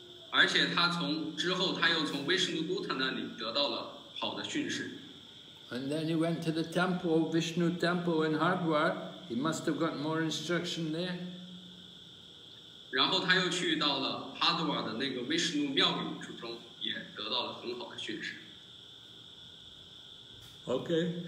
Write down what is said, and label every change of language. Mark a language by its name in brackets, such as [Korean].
[Chinese] 而且他之后他又从维什努都塔那里得到了好的训示。 [English] And then he went to the temple, Vishnu temple in Hardwar. He must have got more instruction there. [Chinese] 然后他又去到了哈德瓦的那个维什努庙宇之中，也得到了很好的训示。Okay,